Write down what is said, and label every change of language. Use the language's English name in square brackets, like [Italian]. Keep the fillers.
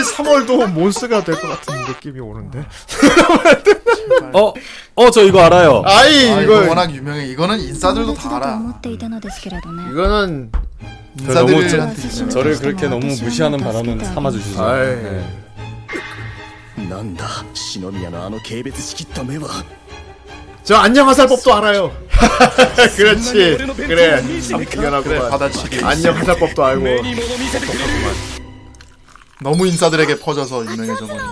[Korean] 3월도 몬스가 될 것 같은 느낌이 오는데. 어어 저 이거 알아요. 아이 아, 이걸... 이거 워낙 유명해 이거는 인싸들도 다 알아. 이거는 인사 저를 그렇게 너무 무시하는 바람은 삼아주시죠. 아이, 네. 네. [Japanese] なんだ、シノミアのあの軽蔑しきった目は。 [Korean] 저 안녕하살법도 알아요. 그렇지. 그래. 아, 그래 안녕하살법도 알고. 너무 인사들에게 퍼져서 유명해져 버린.